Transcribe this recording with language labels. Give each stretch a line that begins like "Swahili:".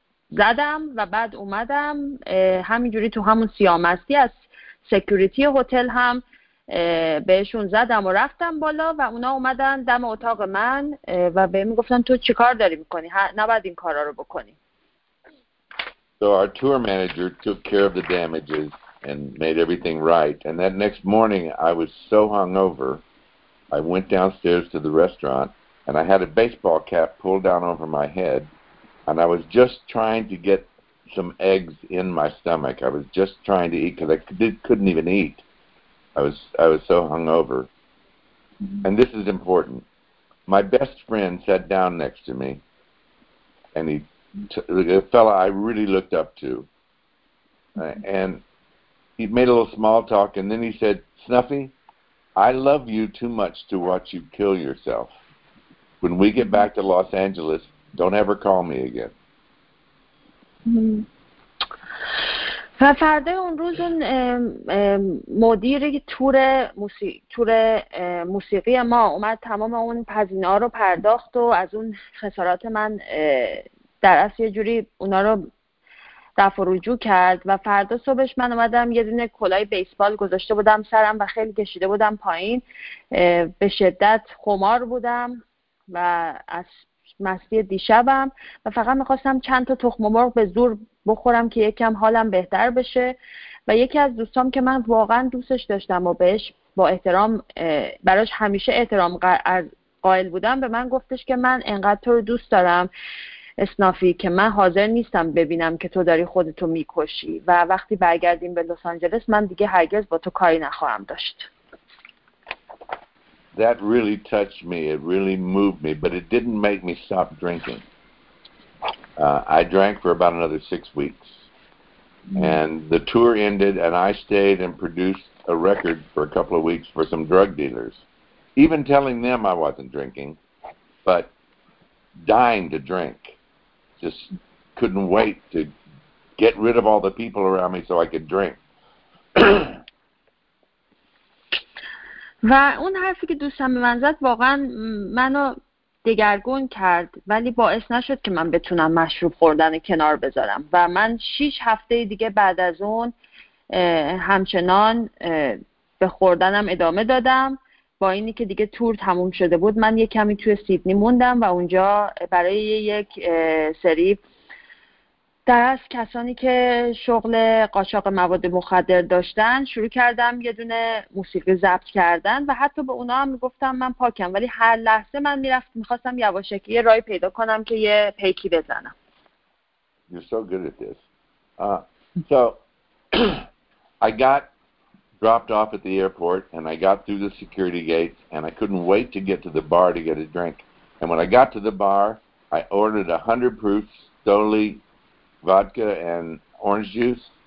Persian: زدم و بعد اومدم همینجوری تو همون سیاه مستی از سکیوریتی هتل هم بهشون زدم و رفتم بالا و اونا اومدن دم اتاق من و بهم گفتن تو چیکار داری میکنی؟ نباید این کارا رو بکنی.
English: So our tour manager took care of the damages and made everything right. And that next morning, I was so hungover, I went downstairs to the restaurant, and I had a baseball cap pulled down over my head, and I was just trying to get some eggs in my stomach. I was just trying to eat because I couldn't even eat. I was so hungover. Mm-hmm. And this is important. My best friend sat down next to me, and he a fellow I really looked up to. And he made a little small talk, and then he said, Snuffy, I love you too much to watch you kill yourself. When we get back to Los Angeles, don't ever call me again. Mm-hmm. و
Persian: و فردای اون روز اون مدیر تور موسیقی ما اومد تمام اون پزینه ها رو پرداخت و از اون خسارات من در اصل یه جوری اونا رو دفع رجوع کرد و فردا صبحش من اومدم یه دونه کلاه بیسبال گذاشته بودم سرم و خیلی کشیده بودم پایین، به شدت خمار بودم و از مستی دیشبم و فقط میخواستم چند تا تخم مرغ به زور بخورم که یکم حالم بهتر بشه و یکی از دوستام که من واقعا دوستش داشتم و بهش با احترام براش همیشه احترام قائل بودم به من گفتش که من انقدر تو رو دوست دارم اسنافی که من حاضر نیستم ببینم که تو داری خودتو میکشی و وقتی برگردیم به لس آنجلس من دیگه هرگز با تو کاری نخواهم داشت.
English: That really touched me. It really moved me, but it didn't make me stop drinking. I drank for about another 6 weeks. And the tour ended, and I stayed and produced a record for a couple of weeks for some drug dealers. Even telling them I wasn't drinking, but dying to drink. Just couldn't wait to get rid of all the people around me so I could drink.
Persian: و اون حرفی که دوستم به من زد واقعا منو دگرگون کرد، ولی باعث نشد که من بتونم مشروب خوردن کنار بذارم و من 6 هفته دیگه بعد از اون همچنان به خوردنم ادامه دادم. با اینی که دیگه تور تموم شده بود من یک کمی توی سیدنی موندم و اونجا برای یک سری درست کسانی که شغل قاچاق مواد مخدر داشتن شروع کردم یه دونه موسیقی ضبط کردن و حتی به اونا هم میگفتم من پاکم، ولی هر لحظه من میرفت میخواستم یواشکی یه رای پیدا کنم که یه پیکی بزنم.
English: You're so good at this. So I got dropped off at the airport and I got through the security gates and I couldn't wait to get to the bar to get a drink. And when I got to the bar I ordered 100 proofs solely vodka and orange juice.